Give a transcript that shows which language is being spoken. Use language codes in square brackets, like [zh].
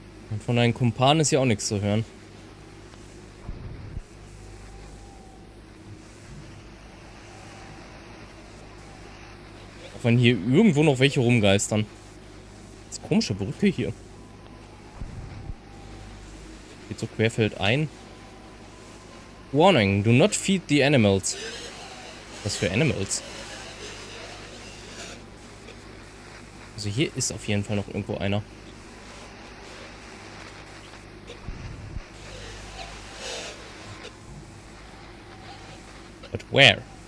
[de] Und von deinen Kumpanen ist ja auch nichts zu hören. Auch wenn hier irgendwo noch welche rumgeistern. Das ist eine komische Brücke hier. Geht so querfeldein. [en] Warning, do not feed the animals. [de] Was für Animals? Also hier ist auf jeden Fall noch irgendwo einer. [en] But where?